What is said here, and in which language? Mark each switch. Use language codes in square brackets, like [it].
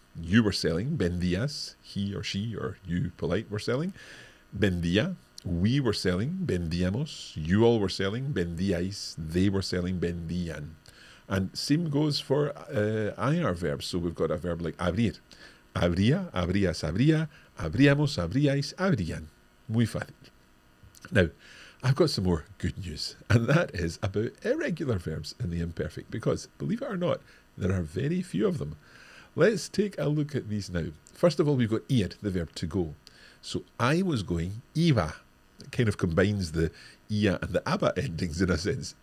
[en] You were selling, vendías. He or she or you, polite, were selling, vendía. We were selling, vendíamos. You all were selling, vendíais. They were selling, vendían. And same goes for IR verbs. So we've got a verb like abrir. [es] Abría, abrías, abría. Abríamos, abríais, abrían. Muy fácil. [en] Now, I've got some more good news, and that is about irregular verbs in the imperfect, because, believe it or not, there are very few of them. Let's take a look at these now. First of all, we've got ir, the verb to go. So I was going, iba. It kind of combines the ia and the abba endings in a sense.